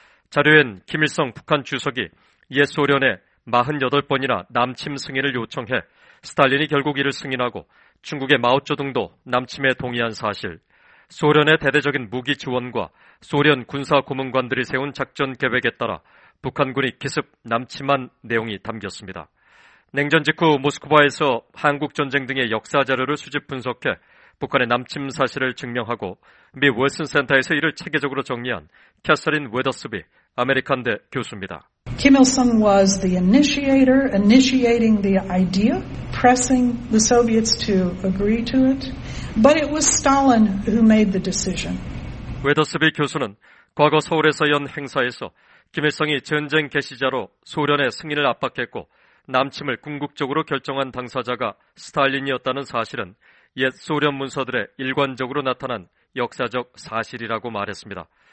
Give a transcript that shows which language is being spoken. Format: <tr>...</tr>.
<ko>자료엔 김일성 북한 주석이 옛 소련에 48번이나 남침 승인을 요청해 스탈린이 결국 이를 승인하고 중국의 마오쩌둥도 남침에 동의한 사실, 소련의 대대적인 무기 지원과 소련 군사 고문관들이 세운 작전 계획에 따라 북한군이 기습 남침한 내용이 담겼습니다. 냉전 직후 모스크바에서 한국전쟁 등의 역사 자료를 수집 분석해 북한의 남침 사실을 증명하고 미 월슨 센터에서 이를 체계적으로 정리한 캐서린 웨더스비 아메리칸대 교수입니다.</ko> <en>Kim Il-sung was the initiator, initiating the idea, pressing the Soviets to agree to it. But it was Stalin who made the decision.</en> <ko>웨더스비 교수는 과거 서울에서 연 행사에서 김일성이 전쟁 개시자로 소련의 승인을 압박했고 남침을 궁극적으로 결정한 당사자가 스탈린이었다는 사실은 옛 소련 문서들에 일관적으로 나타난 역사적 사실이라고 말했습니다.</ko>